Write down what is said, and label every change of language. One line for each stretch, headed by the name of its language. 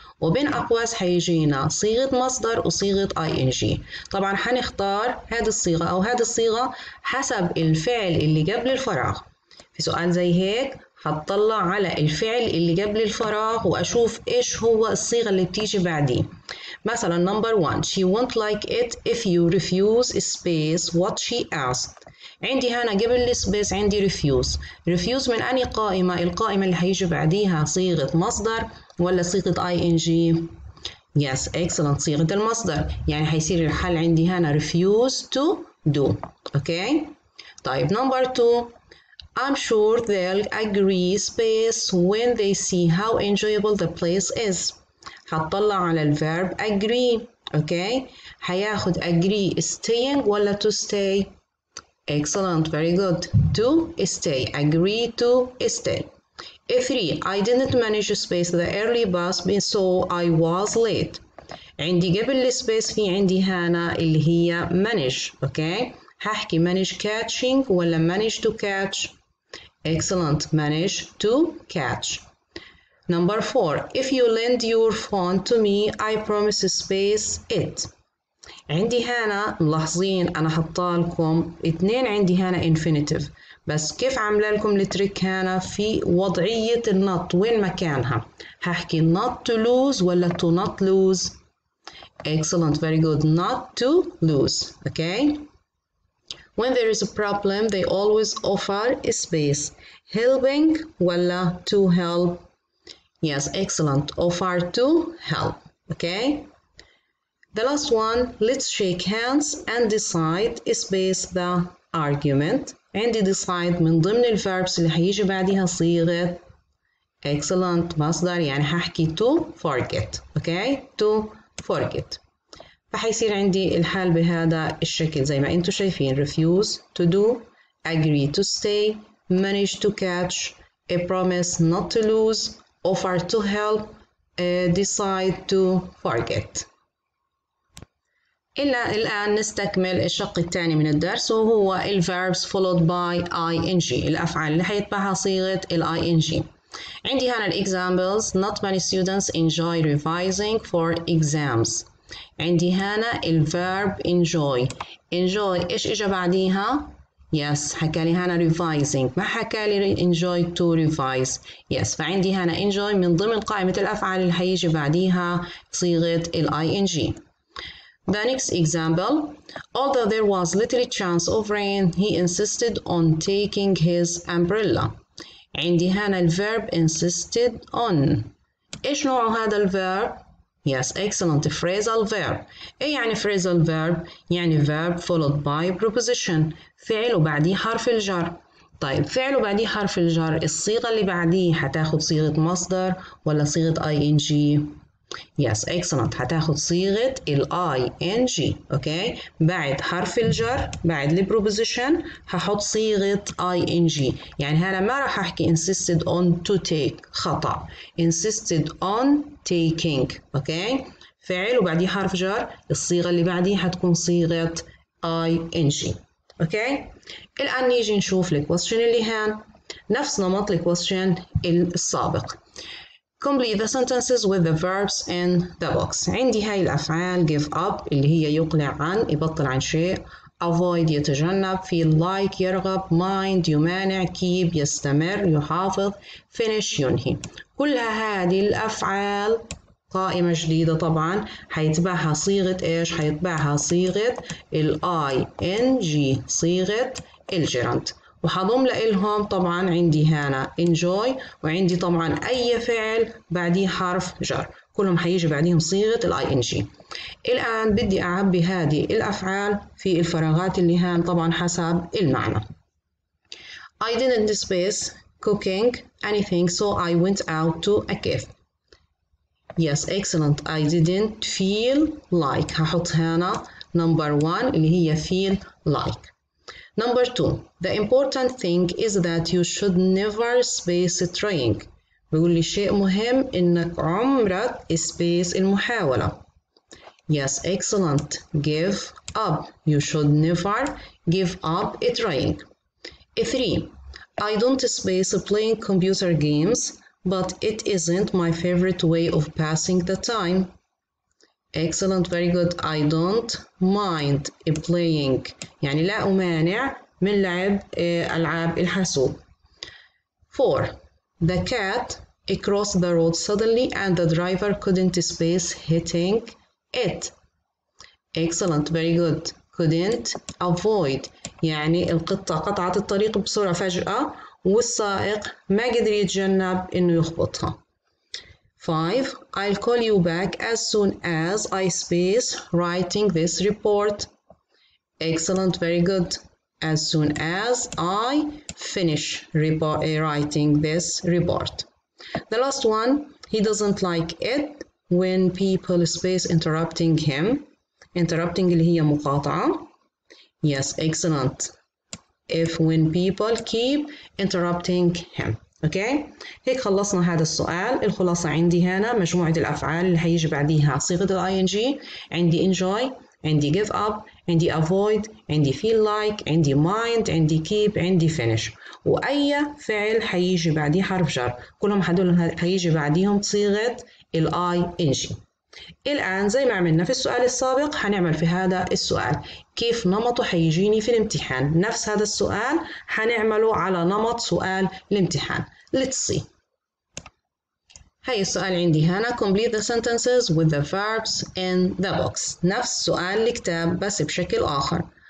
Arabic: وبين أقواس حيجينا صيغة مصدر وصيغة ing. طبعا حنختار هذه الصيغة أو هذه الصيغة حسب الفعل اللي قبل الفراغ. في سؤال زي هيك هتطلع على الفعل اللي قبل الفراغ وأشوف إيش هو الصيغة اللي بتيجي بعديه.
English: مثلا number one, she won't like it if you refuse space what she asked.
Arabic: عندي هنا قبل السبيس عندي refuse. refuse من أني قائمة؟ القائمة اللي هيجي بعديها صيغة مصدر ولا صيغة ing؟
English: Yes, excellent.
Arabic: صيغة المصدر. يعني حيصير الحل عندي هنا refuse to do.
English: Okay. طيب number two. I'm sure they'll agree space when they see how enjoyable the place is.
Arabic: هتطلع على الverb agree.
English: Okay.
Arabic: هياخد
English: agree staying ولا to stay؟ Excellent. Very good. To stay. Agree to stay. A3. I didn't manage to space the early bus, so I was late.
Arabic: عندي قبل السبيس في عندي هنا اللي هي manage. اوكي هحكي
English: manage catching ولا manage to catch. excellent manage to catch. number 4 if you lend your phone to me I promise space it.
Arabic: عندي هنا ملاحظين انا حاطه لكم اثنين عندي هنا infinitive بس كيف عامله لكم التريك هنا في وضعيه النط وين مكانها.
English: هحكي not to lose ولا to not lose. excellent very good not to lose. okay when there is a problem they always offer a space helping ولا to help. yes excellent offer to help. okay the last one let's shake hands and decide a space the argument.
Arabic: عندي decide من ضمن الverbs اللي هيجي بعدها صيغة excellent مصدر يعني هحكي to forget.
English: okay to forget
Arabic: فحيصير عندي الحال بهذا الشكل زي ما انتو شايفين
English: refuse to do agree to stay manage to catch a promise not to lose offer to help decide to forget.
Arabic: إلا الآن نستكمل الشق الثاني من الدرس وهو الـ
English: verbs followed by ing
Arabic: الأفعال اللي حيتبعها صيغة الـ ing. عندي هنا الـ
English: examples not many students enjoy revising for exams.
Arabic: عندي هنا الـ verb enjoy. enjoy إيش إجا بعديها؟ yes حكالي هنا revising ما حكالي
English: enjoy to revise.
Arabic: yes فعندي هنا enjoy من ضمن قائمة الأفعال اللي حيجي بعديها صيغة الـ ing.
English: The next example, although there was little chance of rain, he insisted on taking his umbrella.
Arabic: عندي هنا الverb insisted on. إيش نوع هذا الverb?
English: Yes, excellent. Phrasal verb.
Arabic: إيه يعني phrasal verb?
English: يعني verb followed by preposition.
Arabic: فعل وبعديه حرف الجر. طيب فعل وبعديه حرف الجر. الصيغة اللي بعديه هتاخد صيغة مصدر ولا صيغة ing؟
English: Yes, excellent.
Arabic: هتاخد صيغة الـ ing. Okay. بعد حرف الجر، بعد الـ preposition، هحط صيغة ing. يعني هنا ما راح أحكي
English: insisted on to take. خطأ. Insisted on taking. Okay.
Arabic: فعل وبعديه حرف جر. الصيغة اللي بعديه هتكون صيغة ing.
English: Okay.
Arabic: الآن نيجي نشوف الـ question اللي هان. نفس نمط الـ question السابق.
English: Complete the sentences with the verbs in the box.
Arabic: عندي هاي الأفعال give up اللي هي يقلع عن يبطل عن شيء avoid يتجنب feel like يرغب mind يمانع keep يستمر يحافظ finish ينهي. كلها هذه الأفعال قائمة جديدة طبعا هيتبعها صيغة إيش؟ هيتبعها صيغة الـ ing صيغة الجيرند وحضم لإلهم طبعاً عندي هنا enjoy وعندي طبعاً أي فعل بعديه حرف جر كلهم حيجي بعديهم صيغة الـ ing. الآن بدي أعبي هذه الأفعال في الفراغات اللي هان طبعاً حسب المعنى.
English: I didn't space cooking anything so I went out to a cafe. Yes excellent I didn't feel like
Arabic: هحط هنا
English: number one اللي هي feel like. Number two, the important thing is that you should never space a trying.
Arabic: بيقول لي شيء مهم إنك عمرك space المحاولة.
English: Yes, excellent. Give up. You should never give up a trying. Three, I don't space playing computer games, but it isn't my favorite way of passing the time. Excellent, very good. I don't mind playing.
Arabic: يعني لا أمانع من لعب ألعاب الحاسوب.
English: 4. The cat crossed the road suddenly and the driver couldn't space hitting it. Excellent, very good. Couldn't avoid.
Arabic: يعني القطة قطعت الطريق بسرعة فجأة والسائق ما قدر يتجنب إنه يخبطها.
English: 5. I'll call you back as soon as I space writing this report. Excellent, very good. As soon as I finish writing this report. The last one, he doesn't like it when people space interrupting him.
Arabic: Interrupting اللي هي مقاطعة.
English: Yes, excellent. If when people keep interrupting him.
Arabic: اوكي هيك خلصنا هذا السؤال. الخلاصة عندي هنا مجموعة الأفعال اللي هيجي بعديها صيغة الـ ING. عندي enjoy، عندي give up، عندي avoid، عندي feel like، عندي mind، عندي keep، عندي finish. وأي فعل هيجي بعديه حرف جر، كلهم هدول هيجي بعديهم صيغة الـ ING. الآن زي ما عملنا في السؤال السابق هنعمل في هذا السؤال، كيف نمطه حيجيني في الامتحان؟ نفس هذا السؤال هنعمله على نمط سؤال الامتحان.
English: Let's see.
Arabic: هاي السؤال عندي هنا،
English: complete the sentences with the verbs in the box.
Arabic: نفس سؤال الكتاب بس بشكل آخر.